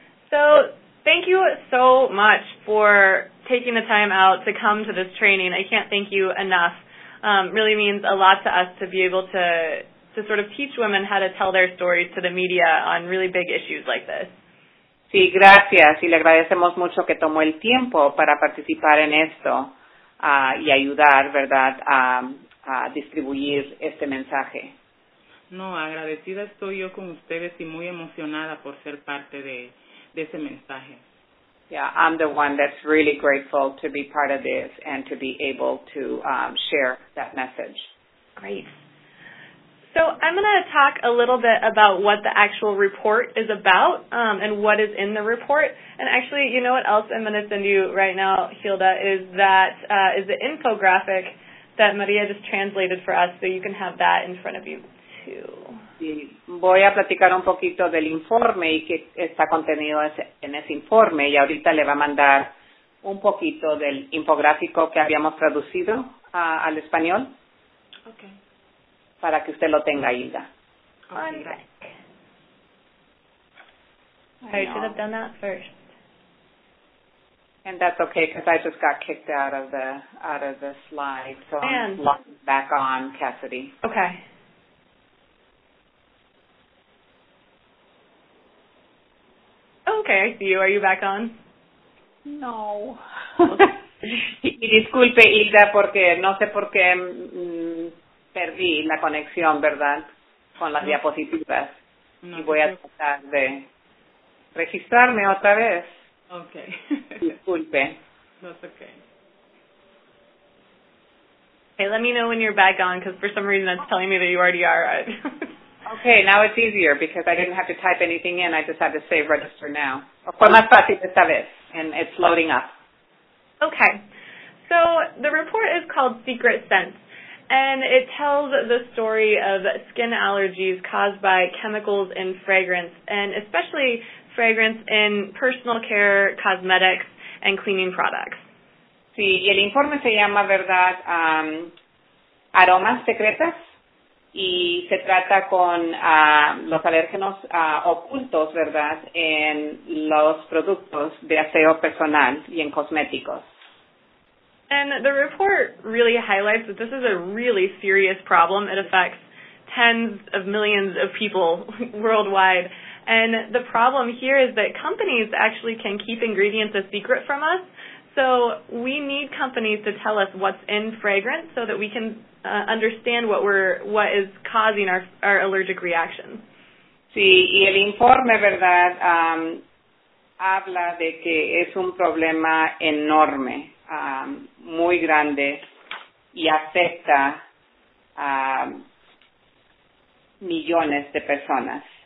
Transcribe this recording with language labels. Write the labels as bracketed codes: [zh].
[en] So thank you so much for taking the time out to come to this training. I can't thank you enough. Really means a lot to us to be able to sort of teach women how to tell their stories to the media on really big issues like this. [es] Sí, gracias. Y le agradecemos mucho que tomó el tiempo para participar en esto y ayudar, ¿verdad?, a distribuir este mensaje. No, agradecida estoy yo con ustedes y muy emocionada por ser parte de ese mensaje. [en] Yeah, I'm the one that's really grateful to be part of this and to be able to share that message. Great. So I'm going to talk a little bit about what the actual report is about and what is in the report. And actually, you know what else I'm going to send you right now, Hilda, is that is the infographic that Maria just translated for us, so you can have that in front of you, too. [es] Sí. Voy a platicar un poquito del informe y que está contenido en ese informe, y ahorita le va a mandar un poquito del infográfico que habíamos traducido al español. [en] Okay. [es] Para que usted lo tenga, Hilda. [en] One sec. I should have done that first. And that's okay, because I just got kicked out of the slide, so I'm locked back on, Cassidy. Okay. Okay, I see you. Are you back on? No. [es] Y disculpe, Hilda, porque no sé por qué perdí la conexión, ¿verdad?, con las diapositivas. No, y voy a tratar de registrarme otra vez. [en] Ok. [es] Disculpe. [en] That's okay. Hey, let me know when you're back on, because for some reason that's telling me that you already are. Okay, now it's easier, because I didn't have to type anything in. I just had to save register now. [es] Fue más fácil esta vez, [en] and it's loading up. Okay. So the report is called Secret Scents. And it tells the story of skin allergies caused by chemicals in fragrance, and especially fragrance in personal care, cosmetics, and cleaning products. [es] Sí, y el informe se llama, ¿verdad?, Aromas Secretas, y se trata con los alérgenos ocultos, ¿verdad?, en los productos de aseo personal y en cosméticos. [en] And the report really highlights that this is a really serious problem. It affects tens of millions of people worldwide. And the problem here is that companies actually can keep ingredients a secret from us. So we need companies to tell us what's in fragrance so that we can understand what is causing our allergic reactions. [es] Sí, y el informe, ¿verdad?, habla de que es un problema enorme. Muy grande y afecta a millones de personas.